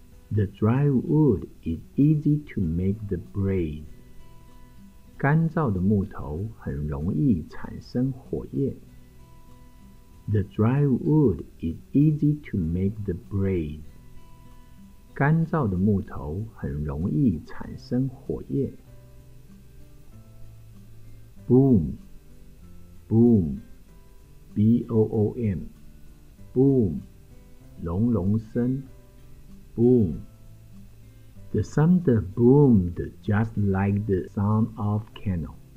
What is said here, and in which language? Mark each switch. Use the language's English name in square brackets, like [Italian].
[English] The dry wood is easy to make the blaze. [Chinese] 干燥的木头很容易产生火焰。 [English] The dry wood is easy to make the blaze. [Chinese] 干燥的木头很容易产生火焰。 [English] Boom, B-O-O-M, Boom, 隆隆声。 Boom, The thunder boomed just like the sound of cannon.